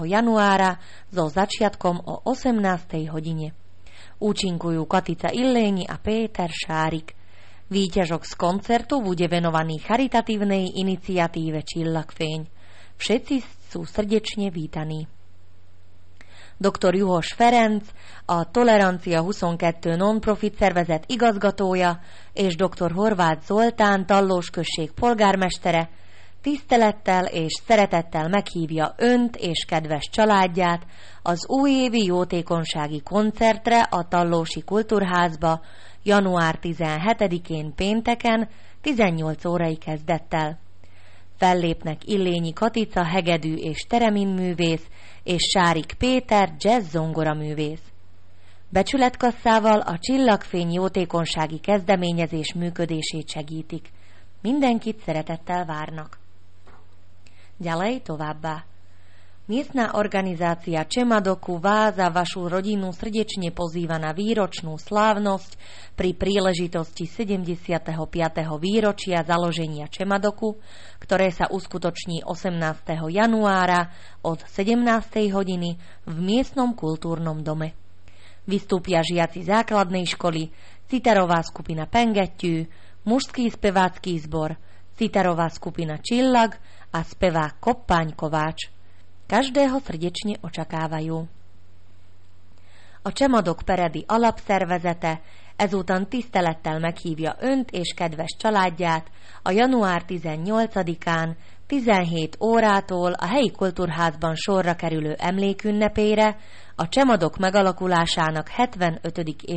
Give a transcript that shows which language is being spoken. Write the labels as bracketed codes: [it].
[sk] januára so začiatkom o 18. hodine. Účinkujú Katica Illéni a Péter Šárik. Výťažok z koncertu bude venovaný charitatívnej iniciatíve Chillaxfeň. Všetci sú srdečne vítaní. [hu] Dr. Juhoš Ferenc, a Tolerancia 22 non-profit szervezet igazgatója, és Dr. Horváth Zoltán, Tallós község polgármestere, tisztelettel és szeretettel meghívja önt és kedves családját az újévi jótékonysági koncertre a Tallósi Kultúrházba január 17-én pénteken 18 órai kezdettel. Fellépnek Illényi Katica hegedű és tereminművész és Sárik Péter jazz zongora művész. Becsületkasszával a Csillagfény jótékonysági kezdeményezés működését segítik. Mindenkit szeretettel várnak. [sk] Ďalej [hu] továbbá. [sk] Miestna organizácia Čemadoku vás a vašu rodinu srdečne pozýva na výročnú slávnosť pri príležitosti 75. výročia založenia Čemadoku, ktoré sa uskutoční 18. januára od 17. hodiny v miestnom kultúrnom dome. Vystúpia žiaci základnej školy, citarová skupina Pengetyű, mužský spevácky zbor, citarová skupina Čillag a spevák Koppány Kováč. Každého srdečne očakávajú. [hu] A Csemadok Peredi alapszervezete ezúton tisztelettel meghívja önt és kedves családját a január 18-án 17 órától a helyi kultúrházban sorra kerülő emlékünnepére a Csemadok megalakulásának 75.